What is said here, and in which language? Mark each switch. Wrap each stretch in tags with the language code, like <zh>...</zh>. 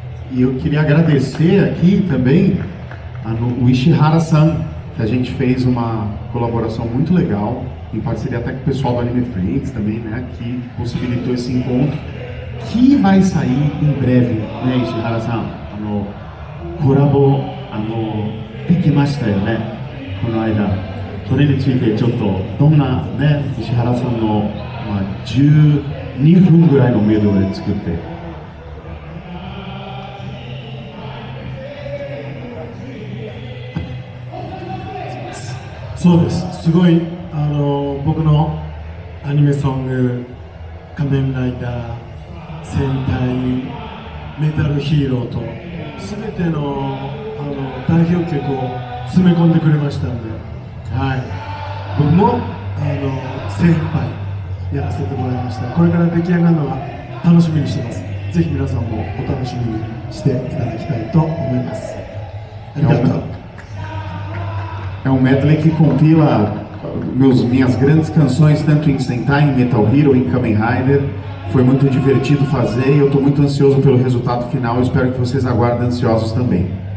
<pt>E eu queria agradecer aqui também o Ishihara-san, que a gente fez uma colaboração muito legal, em parceria até com o pessoal do Anime Friends também, né, que possibilitou esse encontro, que vai sair em breve, né, Ishihara-san? Corabo, pique-master, né, この間.</pt> <ja>それについてちょっとどんなね、石原さんの、まあ、12分ぐらいのメドレー作って。そうです。すごい、僕のアニメソング、仮面ライダー、戦隊、メタルヒーローと、すべて の代表曲を詰め込んでくれましたんで、はい、僕も精一杯やらせてもらいました。これから出来上がるのは楽しみにしてます。ぜひ皆さんもお楽しみにしていただきたいと思います。ありがとう。</ja> <pt>É um medley que compila minhas grandes canções, tanto em Sentai, em Metal Hero, em Kamen Rider. Foi muito divertido fazer e eu estou muito ansioso pelo resultado final. Eu espero que vocês aguardem ansiosos também.</pt>